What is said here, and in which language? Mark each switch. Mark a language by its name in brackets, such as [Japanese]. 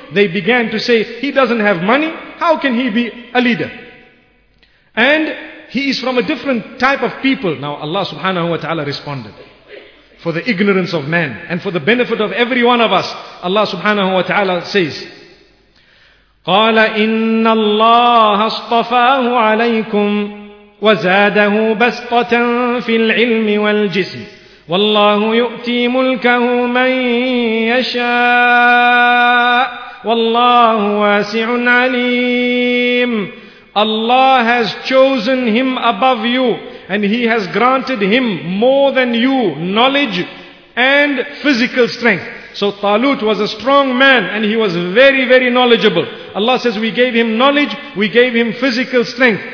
[English] They began to say, he doesn't have money, how can he be a leader? And he is from a different type of people. Now Allah subhanahu wa ta'ala responded, for the ignorance of man and for the benefit of every one of us, Allah subhanahu wa ta'ala says, [Arabic] قال إن الله اصطفاه عليكم وزاده بسطة في العلم والجسم والله يؤتي ملكه من يشاء والله واسع عليم. [English] Allah has chosen him above you and he has granted him more than you knowledge and physical strength. So Talut was a strong man and he was very, very knowledgeable. Allah says, we gave him knowledge, we gave him physical strength.